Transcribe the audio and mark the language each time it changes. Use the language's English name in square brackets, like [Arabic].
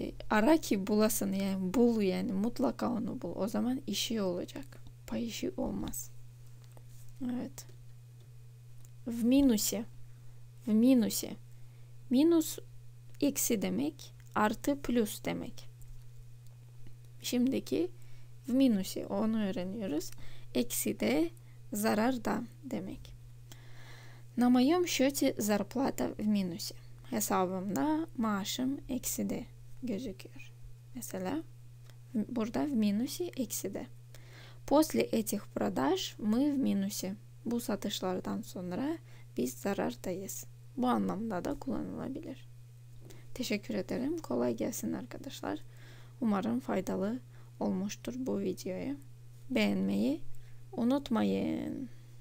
[Turkish] Ara ki bulasın yani bul yani mutlaka onu bul. O zaman işi olacak. Pay işi olmaz. Evet. [Russian] В минусе. В минусе. [Turkish] Минус eksi demek. Artı plus demek. Şimdiki [Russian] в минусе. [Turkish] Onu öğreniyoruz. Eksi de zararda demek. [Russian] На моем счете зарплата в минусе. [Turkish] Hesabımda maaşım ekside gözüküyor. Mesela burada [Russian] в минусе [Turkish] ekside. [Russian] После этих продаж мы в минусе. [Turkish] Bu satışlardan sonra biz zarardayız. Bu anlamda da kullanılabilir. Teşekkür ederim. Kolay gelsin arkadaşlar. Umarım faydalı olmuştur bu videoyu. Beğenmeyi unutmayın.